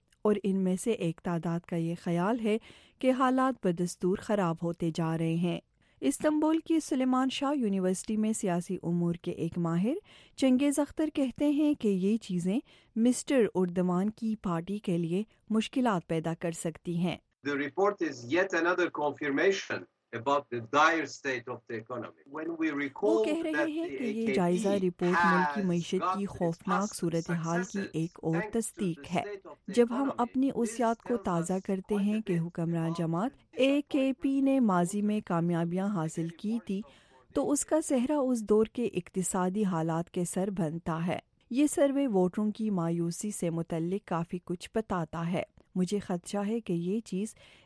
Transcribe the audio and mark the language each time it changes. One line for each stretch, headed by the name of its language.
Urdu: اور ان میں سے ایک تعداد کا یہ خیال ہے کہ حالات بدستور خراب ہوتے جا رہے ہیں۔ استنبول کی سلیمان شاہ یونیورسٹی میں سیاسی امور کے ایک ماہر چنگیز اختر کہتے ہیں کہ یہ چیزیں مسٹر اردوان کی پارٹی کے لیے مشکلات پیدا کر سکتی ہیں۔
English: The report is yet another confirmation about the dire state of the economy. When we recall that
Urdu: کہہ رہے ہیں کہ یہ جائزہ رپورٹ ملک کی معیشت کی خوفناک صورتحال کی ایک اور تصدیق ہے۔ جب ہم اپنی اس یاد کو تازہ کرتے ہیں کہ حکمران جماعت AKP نے ماضی میں کامیابیاں حاصل کی تھی، تو اس کا سہرا اس دور کے اقتصادی حالات کے سر بنتا ہے۔ یہ سروے ووٹروں کی مایوسی سے متعلق کافی کچھ بتاتا ہے۔ مجھے خدشہ ہے کہ یہ چیز